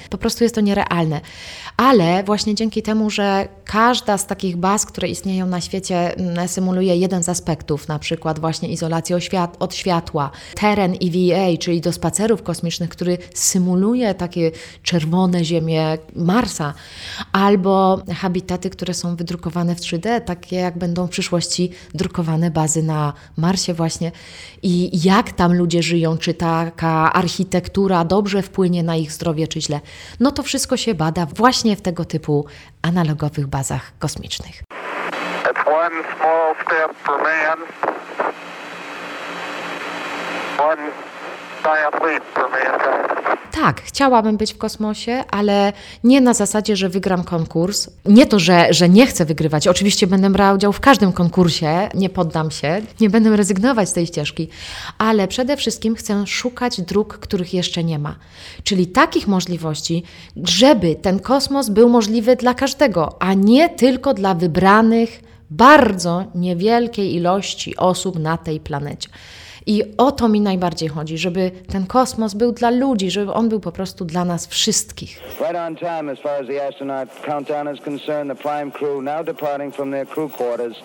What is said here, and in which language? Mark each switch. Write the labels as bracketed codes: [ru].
[pl] Po prostu jest to nierealne. Ale właśnie dzięki temu, że każda z takich baz, które istnieją na świecie, symuluje jeden z aspektów, na przykład właśnie izolację od światła, teren EVA, czyli do spacerów kosmicznych, który symuluje takie czerwone ziemie Marsa, albo habitaty, które są wydrukowane w 3D, takie jak będą w przyszłości drukowane bazy na Marsie właśnie. I jak tam ludzie żyją, czy taka architektura dobrze wpłynie na ich zdrowie, czy źle. No to wszystko się bada właśnie w tego typu analogowych bazach kosmicznych. [en] It's one small step for man. One... [pl] Tak, chciałabym być w kosmosie, ale nie na zasadzie, że wygram konkurs. Nie to, że nie chcę wygrywać. Oczywiście będę brała udział w każdym konkursie, nie poddam się, nie będę rezygnować z tej ścieżki, ale przede wszystkim chcę szukać dróg, których jeszcze nie ma. Czyli takich możliwości, żeby ten kosmos był możliwy dla każdego, a nie tylko dla wybranych, bardzo niewielkiej ilości osób na tej planecie. I o to mi najbardziej chodzi, żeby ten kosmos był dla ludzi, żeby on był po prostu dla nas wszystkich. [en] Right on time, as far as the astronaut countdown is concerned, the prime crew now departing from their crew quarters.